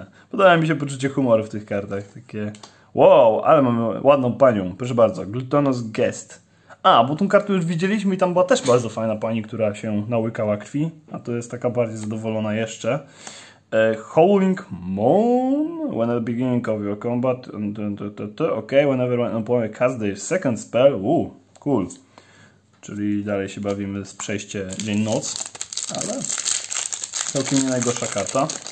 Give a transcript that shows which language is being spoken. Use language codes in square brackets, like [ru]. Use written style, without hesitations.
[pl] Podoba mi się poczucie humoru w tych kartach. Takie... Wow, ale mamy ładną panią. Proszę bardzo. Glutonous Guest. A, bo tą kartę już widzieliśmy i tam była też bardzo fajna pani, która się nałykała krwi. A to jest taka bardziej zadowolona jeszcze. [en] Howling Moon, when at the beginning of your combat, okay, whenever an opponent casts their second spell, cool. [pl] Czyli dalej się bawimy z przejście dzień-noc, ale całkiem nie najgorsza karta.